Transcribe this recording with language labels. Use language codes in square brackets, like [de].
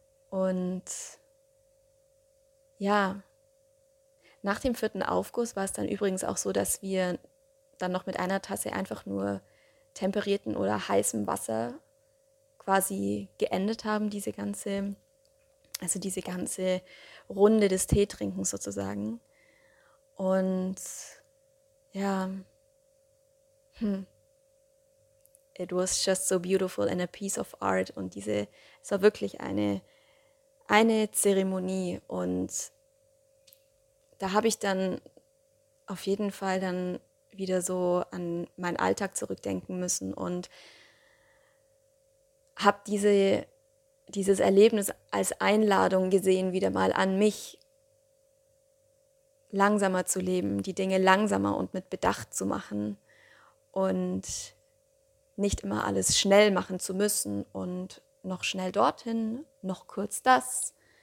[de] Und ja, nach dem vierten Aufguss war es dann übrigens auch so, dass wir dann noch mit einer Tasse einfach nur temperierten oder heißem Wasser quasi geendet haben, diese ganze Also diese ganze Runde des Teetrinkens sozusagen. Und ja, [en] it was just so beautiful and a piece of art. [de] Und diese, es war wirklich eine Zeremonie. Und da habe ich dann auf jeden Fall dann wieder so an meinen Alltag zurückdenken müssen und habe dieses Erlebnis als Einladung gesehen, wieder mal an mich langsamer zu leben, die Dinge langsamer und mit Bedacht zu machen und nicht immer alles schnell machen zu müssen und noch schnell dorthin, noch kurz das.